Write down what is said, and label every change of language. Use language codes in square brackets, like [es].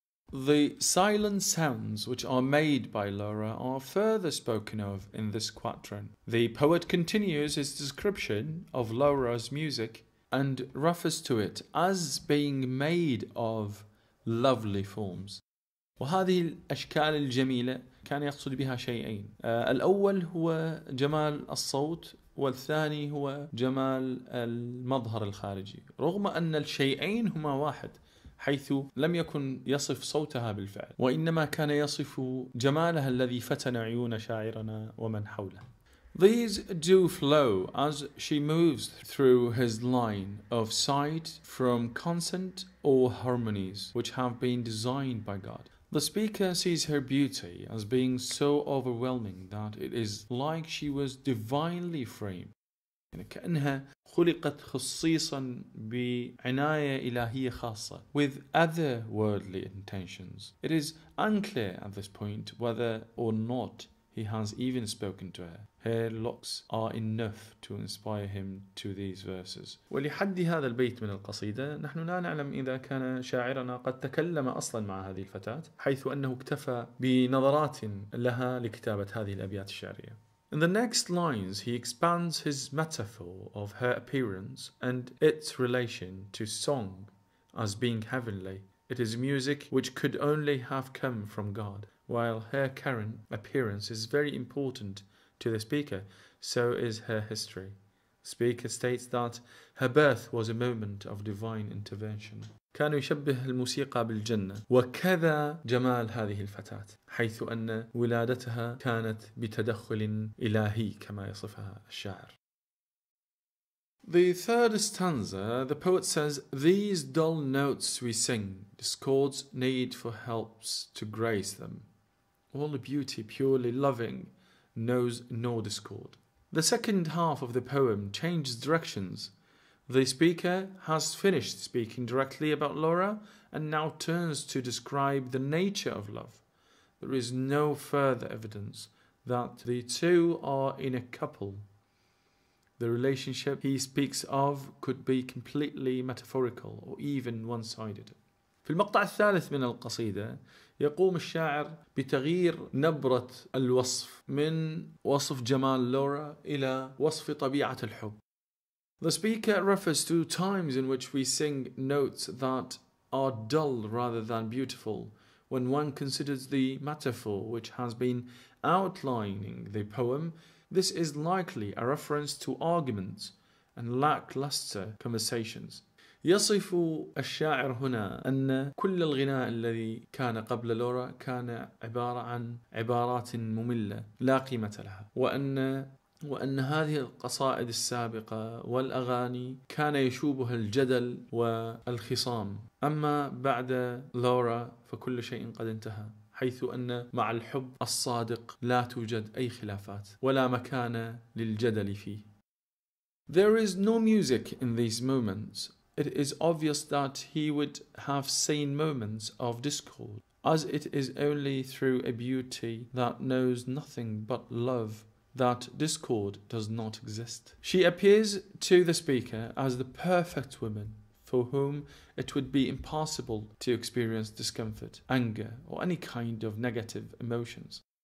[en] The silent sounds which are made by Laura are further spoken of in this quatrain. The poet continues his description of Laura's music and refers to it as being made of lovely forms. [ar] وهذه الأشكال الجميلة كان يقصد بها شيئين. الأول هو جمال الصوت والثاني هو جمال المظهر الخارجي. رغم أن الشيئين هما واحد حيث لم يكن يصف صوتها بالفعل وإنما كان يصف جمالها الذي فتن عيون شاعرنا ومن حوله. [en] These do flow as she moves through his line of sight from consonant or harmonies which have been designed by God. The speaker sees her beauty as being so overwhelming that it is like she was divinely framed. [ar] كأنها خلقت خصيصا بعناية إلهية خاصة [en] with otherworldly intentions. It is unclear at this point whether or not he has even spoken to her. Her looks are enough to inspire him to these verses. [ar] ولحد هذا البيت من القصيدة نحن لا نعلم إذا كان شاعرنا قد تكلم أصلا مع هذه الفتاة حيث أنه اكتفى بنظرات لها لكتابة هذه الأبيات الشعرية. [en] In the next lines, he expands his metaphor of her appearance and its relation to song as being heavenly. It is music which could only have come from God. While her current appearance is very important to the speaker, so is her history. The speaker states that her birth was a moment of divine intervention. [ar] كان يشبه الموسيقى بالجنة وكذا جمال هذه الفتاة حيث أن ولادتها كانت بتدخل إلهي كما يصفها الشاعر. [en] The third stanza, the poet says, These dull notes we sing, discords need for helps to grace them. All beauty purely loving knows no discord. The second half of the poem changes directions. The speaker has finished speaking directly about Laura and now turns to describe the nature of love. There is no further evidence that the two are in a couple. The relationship he speaks of could be completely metaphorical or even one-sided. [ar] في المقطع الثالث من القصيدة يقوم الشاعر بتغيير نبرة الوصف من وصف جمال لورا إلى وصف طبيعة الحب. [en] The speaker refers to times in which we sing notes that are dull rather than beautiful when one considers the metaphor which has been outlining the poem. This is likely a reference to arguments and lackluster conversations. [ar] يصف الشاعر هنا أن كل الغناء الذي كان قبل لورا كان عبارة عن عبارات مملة لا قيمة لها وأن هذه القصائد السابقة والأغاني كان يشوبها الجدل والخصام أما بعد لورا فكل شيء قد انتهى حيث أن مع الحب الصادق لا توجد أي خلافات ولا مكان للجدل فيه. [en] There is no music in these moments. It is obvious that he would have seen moments of discord, as it is only through a beauty that knows nothing but love that discord does not exist. She appears to the speaker as the perfect woman for whom it would be impossible to experience discomfort, anger, or any kind of negative emotions.